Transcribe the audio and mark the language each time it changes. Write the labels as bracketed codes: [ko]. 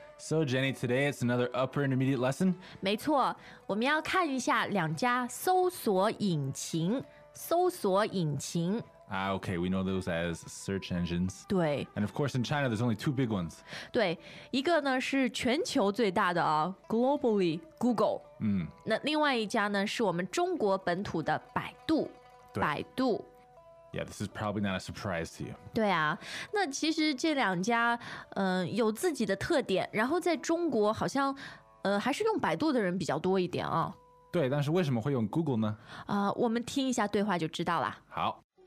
[en] So Jenny, today it's another upper intermediate lesson. [zh] 没错，我们要看一下两家搜索引擎，搜索引擎。 [en] Ah, okay, we know those as search engines. [zh] 对。 [en] And of course, in China, there's only two big ones. [zh] 对，一个呢是全球最大的啊 ，globally Google。嗯。那另外一家呢是我们中国本土的百度，对百度。 [en] Yeah, this is probably not a surprise to you. [zh] 对啊，那其实这两家，有自己的特点，然后在中国好像，还是用百度的人比较多一点啊。对，但是为什么会用 Google 呢？我们听一下对话就知道了。好。